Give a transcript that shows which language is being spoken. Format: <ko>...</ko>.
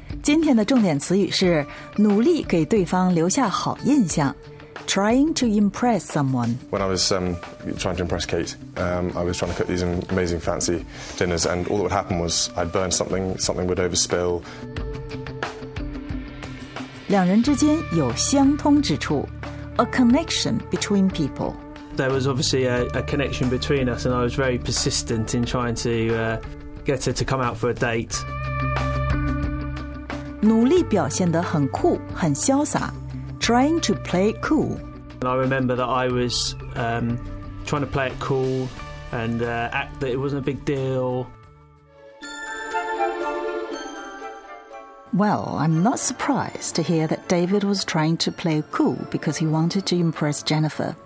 <zh>今天的重点词语是努力给对方留下好印象。</zh> <en>Trying to impress someone. When I was trying to impress Kate, I was trying to cook these amazing fancy dinners, and all that would happen was I'd burn something, something would overspill.</en> <zh>两人之间有相通之处</zh> <en>a connection between people. There was obviously a connection between us, and I was very persistent in trying to get her to come out for a date.</en> <zh>努力表现得很酷，很潇洒。</zh> <en>Trying to play it cool. I remember that I was trying to play it cool and act that it wasn't a big deal. Well, I'm not surprised to hear that David was trying to play cool because he wanted to impress Jennifer.</en>